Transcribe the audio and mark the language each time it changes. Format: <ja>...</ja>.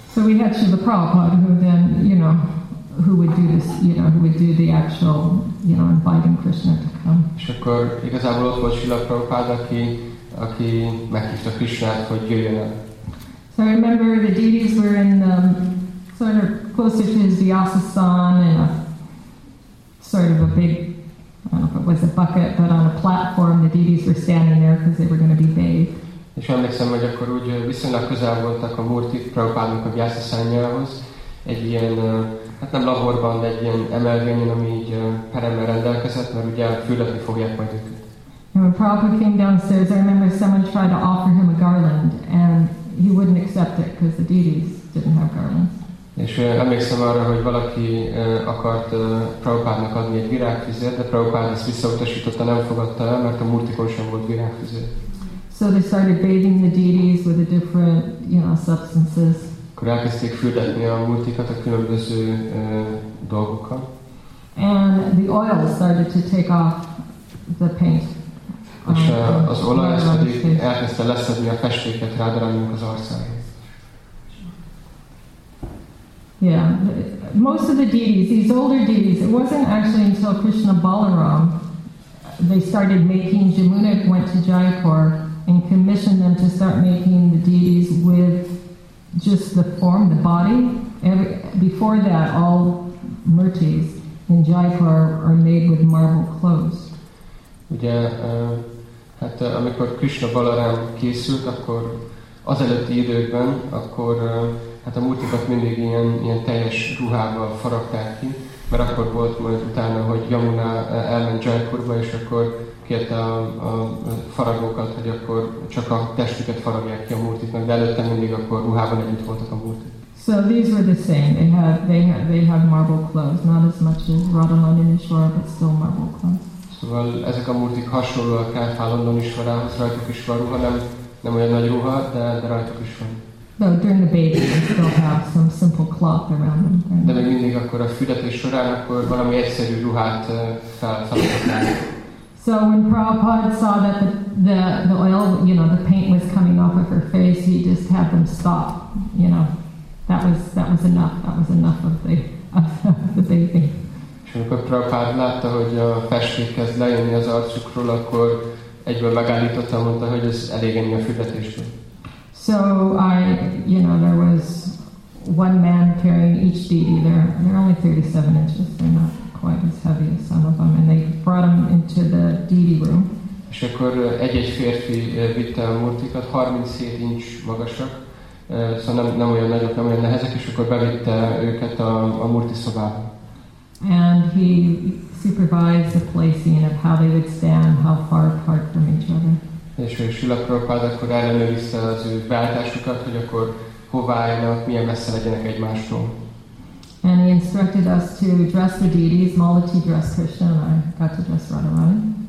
<en>So we had Srila Prabhupada, who then, you know, who would do this, you know, who would do the actual, you know, inviting Krishna to come.</en> <hu>És akkor igazából ott volt Srila Prabhupada, aki meghívta Krishnát, hogy jöjjön el.</hu> <en>So I remember the deities were in the sort of closer to his Vyasa san in a sort of a big, I don't know if it was a bucket, but on a platform the deities were standing there because they were going to be bathed.</en> <hu>És emlékszem, hogy akkor úgy viszonylag közel voltak a Murti Prabhupádnak a Vyasa szárnyához, egy ilyen, hát nem laborban, de egy ilyen emelvényen, ami így peremmel rendelkezett, mert ugye fürdetni fogják majd őket.</hu> <en>And when Prabhupada came downstairs, I remember someone tried to offer him a garland, and he wouldn't accept it because the deities didn't have garlands.</en> <hu>És emlékszem arra, hogy valaki akart Prabhupádnak adni egy virágfüzért, de Prabhupád ezt visszautasította, nem fogadta el, mert a Murtikon sem volt virágfüzér.</hu> <en>So they started bathing the deities with the different, you know, substances.</en> <hu>Akkor elkezdték fürdetni a multikat a különböző dolgokkal.</hu> <en>And the oil started to take off the paint.</en> <hu>És az olaj pedig elkezdte leszedni a festéket rádarabjunk az arcára.</hu> <en>Yeah, most of the deities, these older deities, it wasn't actually until Krishna Balaram, they started making, Jamuna went to Jaipur, and commissioned them to start making the deities with just the form, the body. Before that, all murtis in Jaipur are made with marble clothes.</en> <hu>Ugye, hát amikor Krishna Balaram készült, akkor az előtti időkben, akkor hát a murtikat mindig ilyen teljes ruhával faragták ki, mert akkor volt majd utána, hogy Yamuna elment Jaipurba, és akkor kérte a faragókat, hogy akkor csak a testüket faragják ki a murtiknak, de előtte mindig akkor ruhában együtt voltak a murtik.</hu> <en>So these were the same. They had marble clothes, not as much as Radhanand and Ishvara, but still marble clothes.</en> <hu>Szóval ezek a murtik hasonlóak el Fálandon Ishvarához, rajtuk is van ruha, nem olyan nagy ruha, de rajtuk is van.</hu> <en>But during the bathing, they still have some simple cloth around them.</en> <hu>De még mindig akkor a fürdetés során akkor valami egyszerű ruhát felfaragták.</hu> <en>So when Prabhupada saw that the oil, you know, the paint was coming off of her face, he just had them stop. You know, that was enough. That was enough of the bathing.</en> <hu>És amikor Prabhupada látta, hogy a festék kezd lejönni az arcukról, akkor egyből megállította, mondta, hogy ez elég ennyi a fürdetésből.</hu> <en>So I, you know, there was one man carrying each deity. They're only 37 inches. They're not quite as heavy as some of them, and they brought them into the deity room.</en> <hu>És akkor egy-egy férfi vitte a murtikat, 37 inch magasak, szóval nem olyan nagyok, nem olyan nehezek, és akkor bevitte őket a murti szobába.</hu> <en>And he supervised the placing of how they would stand, how far apart from each other.</en> <hu>És a Srila Prabhupada akkor ellenőrizte az ő beállításukat, hogy akkor hová állnak, milyen messze legyenek egymástól.</hu> <en>And he instructed us to dress the deities. Malati dressed Krishna, and I got to dress Radharani.</en>